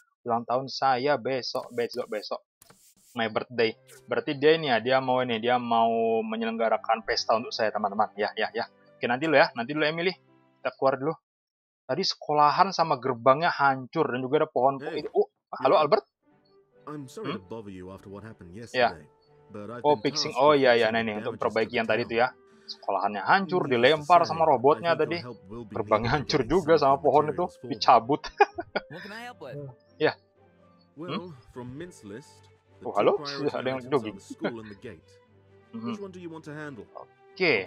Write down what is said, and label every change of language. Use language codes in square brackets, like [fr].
[id] Ulang tahun saya besok. [en] My birthday. [id] Berarti dia ini ya, dia mau menyelenggarakan pesta untuk saya, teman-teman. Ya. Oke, nanti dulu Emily. Kita keluar dulu. Tadi sekolahan sama gerbangnya hancur dan juga ada pohon. Hey. Halo Albert. [en] I'm sorry to bother you after what happened yesterday. Yeah. But I've been fixing. [id] Oh iya ya, nah ini untuk perbaiki yang tadi itu ya. Sekolahannya hancur, dilempar sama robotnya tadi. Gerbangnya hancur juga sama pohon itu, dicabut. Ya. [en] Well, from Mint's list. [id] Oh, halo, ada yang jogging. [en] Which one do you want to handle? Oke.